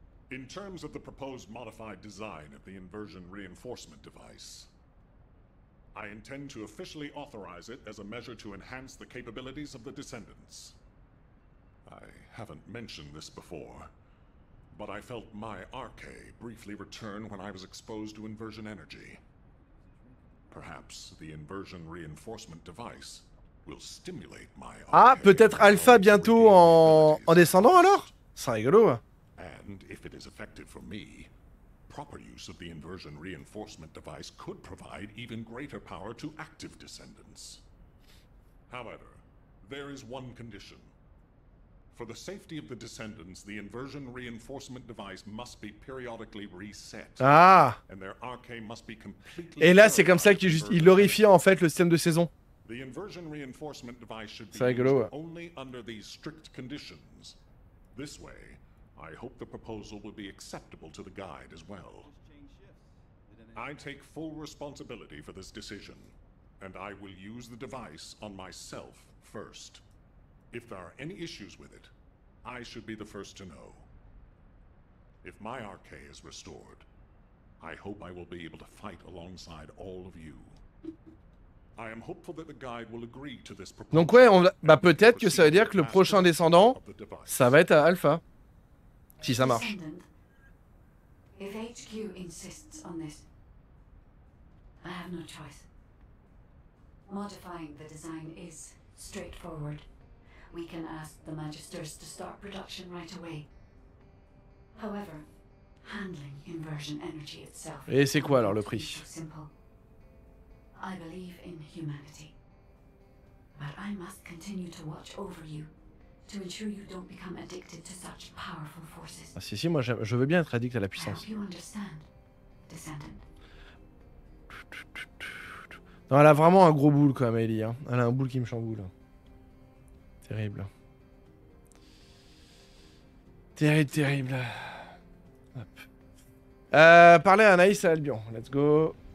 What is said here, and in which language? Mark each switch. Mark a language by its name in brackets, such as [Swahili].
[English] In terms of the proposed modified design of the inversion reinforcement device, I intend to officially authorize it as a measure to enhance the capabilities of the descendants. I haven't mentioned this before, but I felt my arche briefly return when I was exposed to inversion energy. Perhaps the inversion reinforcement device will stimulate my arche. [French] Ah, peut-être Alpha bientôt en descendant alors? C'est rigolo. [English] And if it is effective for me, proper use of the inversion reinforcement device could provide even greater power to active descendants. However, there is one condition. For the safety of the descendants, the inversion reinforcement device must be periodically reset. Ah. And their RK must be completely. [French] Et là, c'est comme ça qu'il glorifie en fait le système de saison. [English] The inversion reinforcement device should be used only under these strict conditions. This way, I hope the proposal will be acceptable to the guide as well. I take full responsibility for this decision, and I will use the device on myself first. If there are any issues with it, I should be the first to know. If my RK is restored, I hope I will be able to fight alongside all of you. I am hopeful that the guide will agree to this proposal. [French] Donc ouais, bah peut-être que ça veut dire que le prochain descendant, ça va être à Alpha. Si ça marche. [English] If HQ insists on this, I have no choice. Modifying the design is straightforward. We can ask the Magisters to start production right away. However, handling inversion energy itself... [French] Et c'est quoi alors le prix? [English] I believe in humanity. But I must continue to watch over you to ensure you don't become addicted to such powerful forces. [French] Ah si, moi je veux bien être addict à la puissance. [English] I hope you understand, Descendant. [French] Non, elle a vraiment un gros boule, quand même, Ellie. Hein. Elle a un boule qui me chamboule. Terrible. Terrible, terrible. Hop. Parlez à Anaïs et à Albion. [English] Let's go.